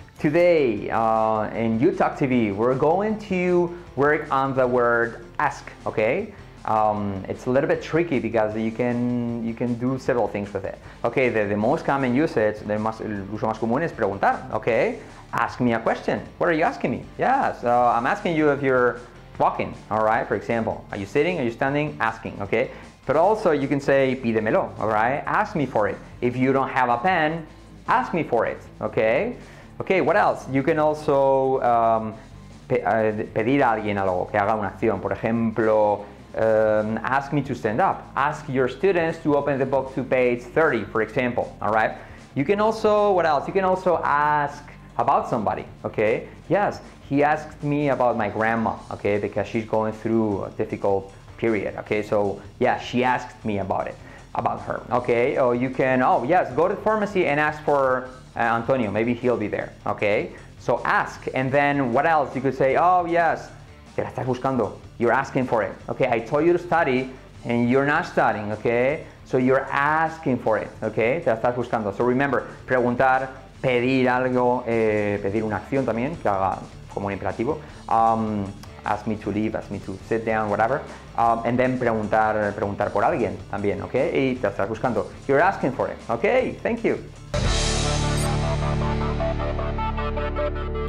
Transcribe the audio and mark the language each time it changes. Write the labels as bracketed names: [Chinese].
[English] Today in YouTalk TV, we're going to work on the word ask, okay? It's a little bit tricky because you can do several things with it. Okay, the most common usage, [Spanish] el uso más común es preguntar, [English] okay? Ask me a question. What are you asking me? Yeah, so I'm asking you if you're walking, all right? For example, are you sitting? Are you standing? Asking, okay? But also you can say pídemelo, all right? Ask me for it. If you don't have a pen, ask me for it, okay? Okay, what else? You can also [Spanish] pedir a alguien algo, que haga una acción. Por ejemplo, [English] ask me to stand up. Ask your students to open the book to page 30, for example, all right? You can also, what else? You can also ask about somebody, okay? Yes, he asked me about my grandma, okay? Because she's going through a difficult period, okay? So, yeah, she asked me about it, about her, okay? Oh, you can, oh, yes, go to the pharmacy and ask for Antonio, maybe he'll be there, okay? So ask, and then what else? You could say, oh yes, [Spanish] te la estás buscando. [English] You're asking for it, okay? I told you to study, and you're not studying, okay? So you're asking for it, okay? [Spanish] Te la estás buscando. [English] So remember, [Spanish] preguntar, pedir algo, pedir una acción también, que haga como un imperativo. [English] Ask me to leave, ask me to sit down, whatever. And then [Spanish] preguntar por alguien también, okay? Y te la estás buscando. [English] You're asking for it, okay? Thank you. We'll be right back.